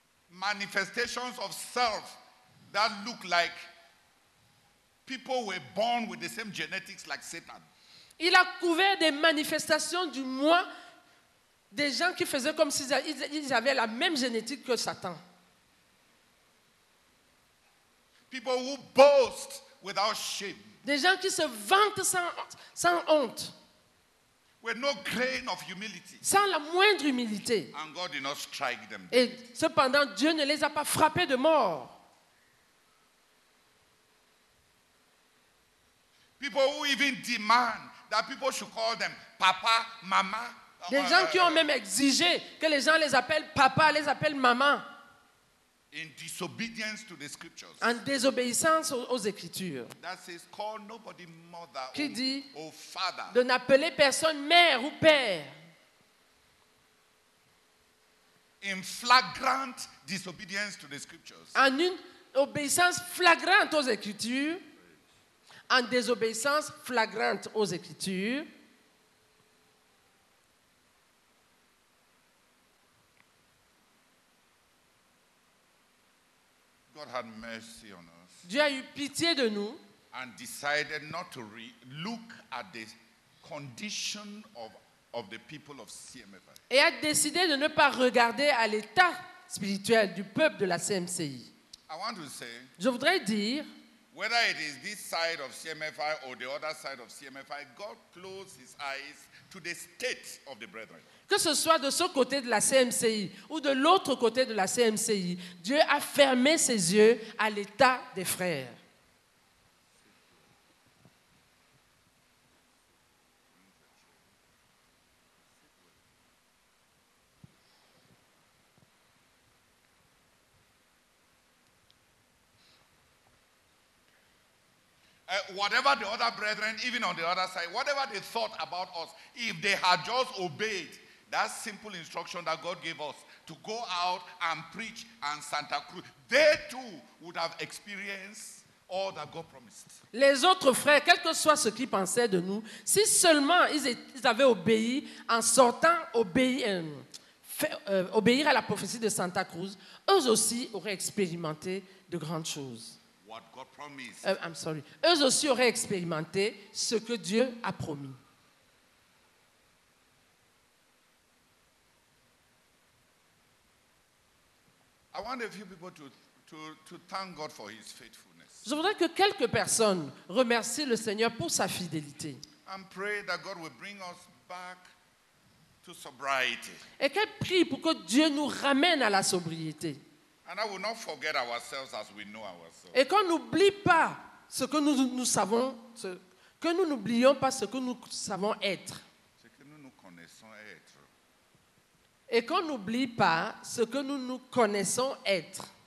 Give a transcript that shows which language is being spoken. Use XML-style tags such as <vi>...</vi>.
<en>Manifestations of self that look like people were born with the same genetics like Satan.</en> <fr>Il a couvert des manifestations du moi, des gens qui faisaient comme s'ils avaient la même génétique que Satan.</fr> <en>People who boast without shame.</en> <fr>Des gens qui se vantent sans honte.</fr> <en>With no grain of humility.</en> <fr>Sans la moindre humilité.</fr> <en>And God did not strike them.</en> <fr>Et cependant, Dieu ne les a pas frappés de mort.</fr> <en>People who even demand that people should call them papa, mama.</en> <fr>Des gens qui ont même exigé que les gens les appellent papa, les appellent maman.</fr> <en>in disobedience to the scriptures.</en> <fr>En désobéissance aux écritures.</fr> <en>That says, call nobody mother</en> <fr>qui dit</fr> <en>or father.</en> <fr>De n'appeler personne mère ou père.</fr> <en>In flagrant disobedience to the scriptures.</en> <fr>En une obéissance flagrante aux écritures. En désobéissance flagrante aux écritures.</fr> <en>God had mercy on us.</en> <fr>Dieu a eu pitié de nous.</fr> <en>And decided not to look at the condition of the people of CMFI.</en> <fr>Et a décidé de ne pas regarder à l'état spirituel du peuple de la CMCI.</fr> <en>I want to say,</en> <fr>je voudrais dire,</fr> <en>whether it is this side of CMFI or the other side of CMFI, God closed his eyes to the state of the brethren.</en> <fr>Que ce soit de ce côté de la CMCI ou de l'autre côté de la CMCI, Dieu a fermé ses yeux à l'état des frères.</fr> <en>Whatever the other brethren, even on the other side, whatever they thought about us, if they had just obeyed that simple instruction that God gave us to go out and preach and Santa Cruz, they too would have experienced all that God promised.</en> <fr>Les autres frères, quel que soit ce qu'ils pensaient de nous, si seulement ils avaient obéi en sortant, obéir à la prophétie de Santa Cruz, eux aussi auraient expérimenté de grandes choses.</fr> <en>What God promised. I'm sorry.</en> <fr>Eux aussi auraient expérimenté ce que Dieu a promis.</fr> <en>I want a few people to thank God for his faithfulness.</en> <fr>Je voudrais que quelques personnes remercient le Seigneur pour sa fidélité.</fr> <en>And pray that God will bring us back to sobriety.</en> <fr>Et qu'elle prie pour que Dieu nous ramène à la sobriété.</fr> <en>And I will not forget ourselves as we know ourselves.</en> <fr>Et qu'on n'oublie pas ce que nous savons, que nous n'oublions pas ce que nous savons être. Ce que nous connaissons être. Et qu'on n'oublie pas ce que nous connaissons être.</fr>